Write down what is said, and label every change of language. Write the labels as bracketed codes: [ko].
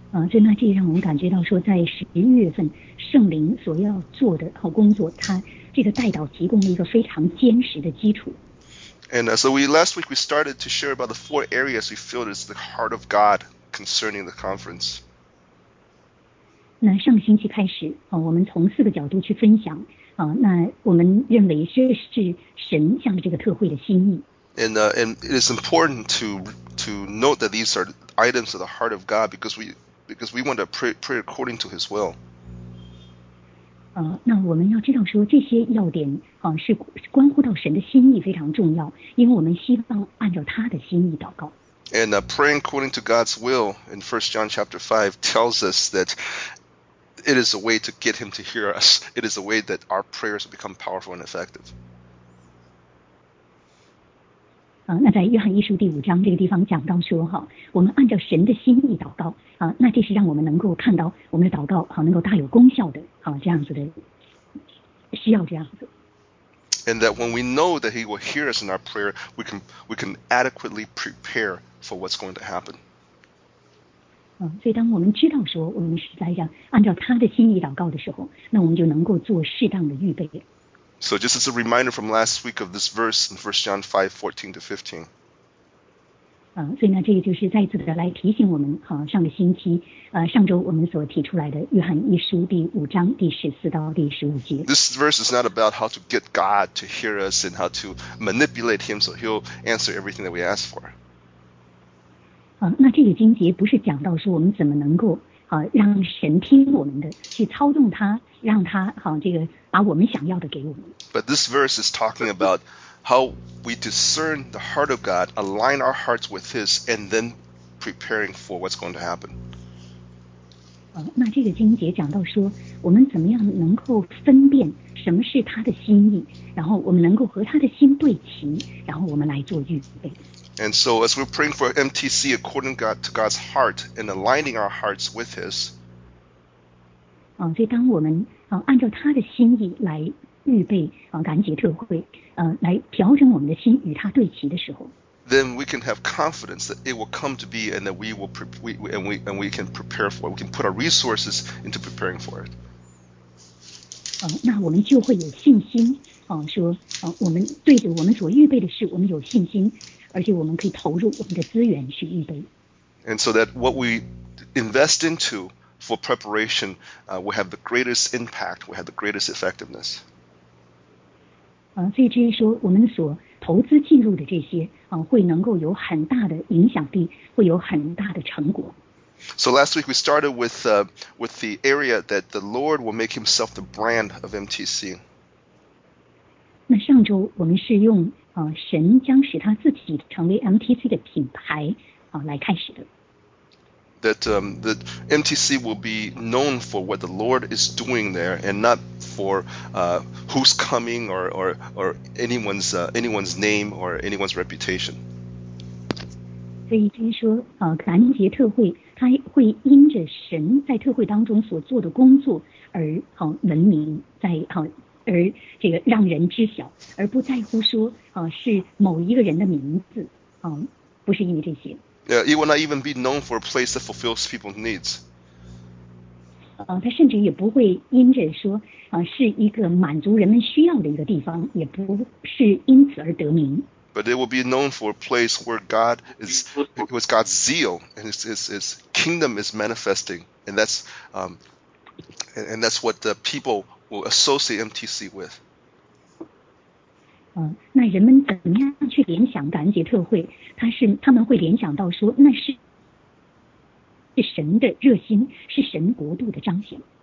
[zh] 所以那这让我们感觉到说，在十一月份圣灵所要做的好工作，它这个带导提供了一个非常坚实的基础。 [en] And so we last week we started to share about the four areas we feel is the heart of God concerning the conference. [zh] 那上星期开始，我们从四个角度去分享，那我们认为这是神向这个特会的心意。 [en] And it is important to note that these are items of the heart of God because we want to pray according to His will. [zh] 那我们要知道说这些要点是关乎到神的心意非常重要，因为我们希望按照他的心意祷告。 [en] And praying according to God's will in 1 John chapter 5 tells us that it is a way to get Him to hear us. It is a way that our prayers become powerful and effective. [zh] 那在约翰一书第五章这个地方讲到说我们按照神的心意祷告，那这是让我们能够看到我们的祷告能够大有功效的，这样子的需要这样子。 [en] And that when we know that He will hear us in our prayer, we can adequately prepare for what's going to happen. [zh] 所以当我们知道说我们是在这样按照他的心意祷告的时候，那我们就能够做适当的预备。 [en] So just as a reminder from last week of this verse in 1 John 5, 14 to 15. [zh] 所以呢，这个就是再次的来提醒我们，上个星期，上周我们所提出来的约翰一书第五章第十四到第十五节。 [en] This verse is not about how to get God to hear us and how to manipulate Him so He'll answer everything that we ask for. [zh] 那这个经节不是讲到说我们怎么能够让神听我们的，去操纵他，让他这个把我们想要的给我们。 [en] But this verse is talking about how we discern the heart of God, align our hearts with His, and then preparing for what's going to happen. [zh] 那这个经节讲到说，我们怎么样能够分辨什么是他的心意，然后我们能够和他的心对齐，然后我们来做预备。 [en] And so as we're praying for MTC according to God's heart and aligning our hearts with His. [zh] 所以当我们按照他的心意来预备感恩节特会，来调整我们的心与他对齐的时候。 [en] Then we can have confidence that it will come to be and that we can prepare for it. We can put our resources into preparing for it. [zh] 那我们就会有信心说我们对着我们所预备的事我们有信心。而且我们可以投入我们的资源去预备。 [en] And so that what we invest into for preparation, we have the greatest impact, we have the greatest effectiveness. [zh] 所以至于说我们所投资进入的这些，会能够有很大的影响力，会有很大的成果。 [en] So last week we started with the area that the Lord will make Himself the brand of MTC. [zh] 那上周我们是用神将使他自己成为 MTC 的品牌来开始的。 [en] That MTC will be known for what the Lord is doing there and not for who's coming or anyone's name or anyone's reputation. [zh] 所以就是说感恩节特会他会因着神在特会当中所做的工作而闻名在而这个让人知晓，而不在乎说是某一个人的名字，不是因为这些。 [en] Yeah, it will not even be known for a place that fulfills people's needs. [zh] 它甚至也不会因着说是一个满足人们需要的一个地方，也不是因此而得名。 [en] But it will be known for a place where God is, it was God's zeal and His kingdom is manifesting, and that's what the people. Will associate MTC with. [zh] 那人们怎么样去联想感恩节特会？他们会联想到说，那是神的热心，是神国度的彰显。